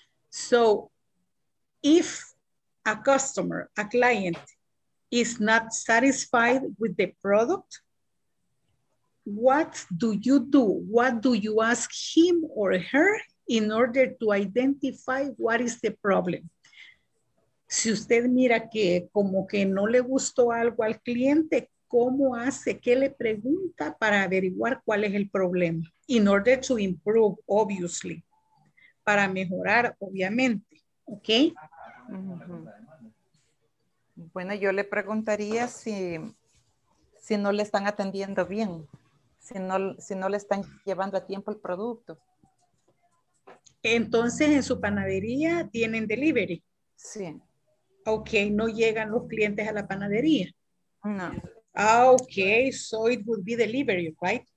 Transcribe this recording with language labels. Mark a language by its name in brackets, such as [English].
[English] So if a customer, a client, is not satisfied with the product, what do you do? What do you ask him or her in order to identify what is the problem? [Spanish] Si usted mira que como que no le gustó algo al cliente, ¿cómo hace? ¿Qué le pregunta para averiguar cuál es el problema? [English] In order to improve, obviously. [Spanish] Para mejorar, obviamente. [English] ¿Ok? [Spanish] Bueno, yo le preguntaría si no le están atendiendo bien, si no le están llevando a tiempo el producto. Entonces, ¿en su panadería tienen delivery? Sí. Ok, ¿no llegan los clientes a la panadería? No. [English] Ah, ok, so it would be delivery, right?